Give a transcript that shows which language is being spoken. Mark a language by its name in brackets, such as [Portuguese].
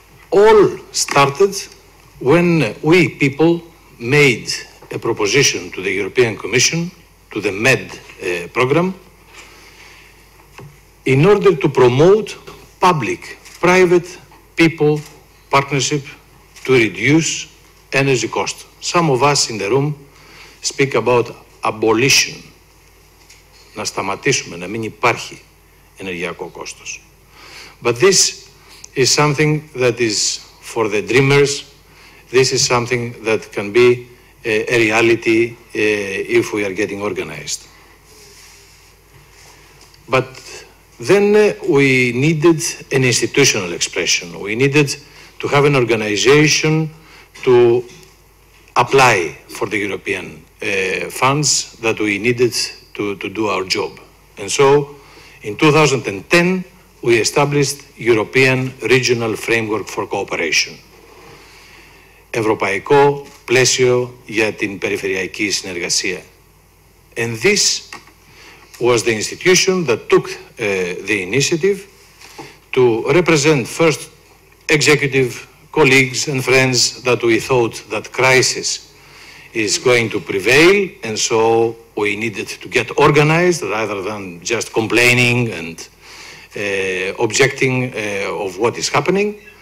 [English] All started when we people made a proposition to the European Commission, to the MED program, in order to promote public-private people partnership to reduce energy cost. Some of us in the room speak about abolition, [Greek] να σταματήσουμε, να μην υπάρχει ενεργειακό κόστος. [English] But this is something that is for the dreamers. This is something that can be a reality if we are getting organized. But then we needed an institutional expression. We needed to have an organization to apply for the European funds that we needed to do our job. And so in 2010, we established European Regional Framework for Cooperation. [Greek] Ευρωπαϊκό πλαίσιο για την περιφερειακή συνεργασία. [English] And this was the institution that took the initiative to represent first executive colleagues and friends that we thought that crisis is going to prevail, and so we needed to get organized rather than just complaining and objecting of what is happening.